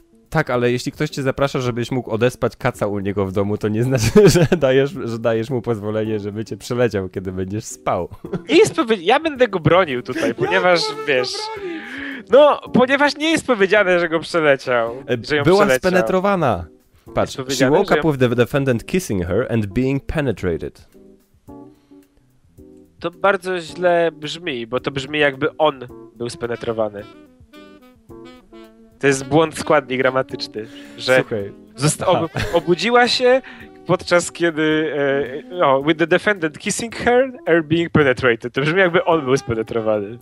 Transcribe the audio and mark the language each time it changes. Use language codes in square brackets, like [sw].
[pl] Tak, ale jeśli ktoś cię zaprasza, żebyś mógł odespać kaca u niego w domu, to nie znaczy, że dajesz mu pozwolenie, żeby cię przeleciał, kiedy będziesz spał. Nie jest powiedziane. Ja będę go bronił tutaj, ponieważ ja wiesz. No, ponieważ nie jest powiedziane, że go przeleciał. Była spenetrowana. Patrz, [en] she woke up with the defendant kissing her and being penetrated. [pl] To bardzo źle brzmi, bo to brzmi jakby on był spenetrowany. To jest błąd składni gramatyczny, że obudziła się podczas kiedy... [en] with the defendant kissing her and being penetrated. [pl] To brzmi jakby on był spenetrowany.